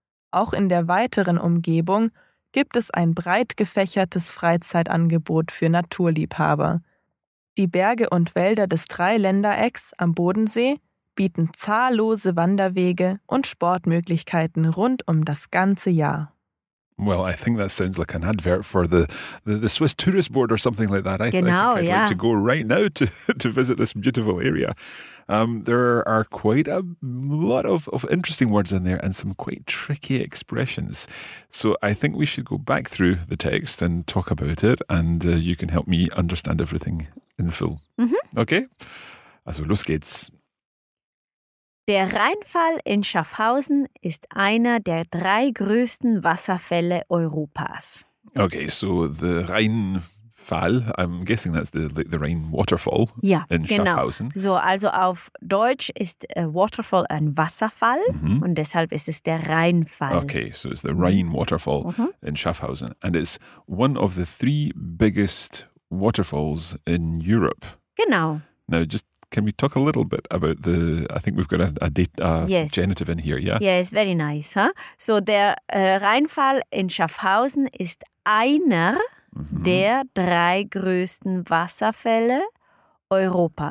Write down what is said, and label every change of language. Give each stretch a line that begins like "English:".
German: Auch in der weiteren Umgebung gibt es ein breit gefächertes Freizeitangebot für Naturliebhaber. Die Berge und Wälder des Dreiländerecks am Bodensee bieten zahllose Wanderwege und Sportmöglichkeiten rund um das ganze Jahr.
English: Well, I think that sounds like an advert for the Swiss Tourist Board or something like that. I'd like to go right now to visit this beautiful area. There are quite a lot of interesting words in there and some quite tricky expressions. So I think we should go back through the text and talk about it, and you can help me understand everything in full. Mm-hmm.
German: Okay? Also los geht's. Der Rheinfall in Schaffhausen ist einer der drei größten Wasserfälle Europas.
English: Okay, so the Rheinfall, I'm guessing that's the rain waterfall,
German: ja,
English: in Schaffhausen.
German: Genau. So, also auf Deutsch ist Waterfall ein Wasserfall, mm-hmm, und deshalb ist es der Rheinfall.
English: Okay, so it's the Rhine waterfall, mm-hmm, in Schaffhausen, and it's one of the three biggest waterfalls in Europe.
German: Genau.
English: Now just can we talk a little bit about the, I think we've got a genitive in here, yeah? Yes, very nice. Huh?
German: So der Rheinfall in Schaffhausen ist einer, mm-hmm, der drei größten Wasserfälle Europa.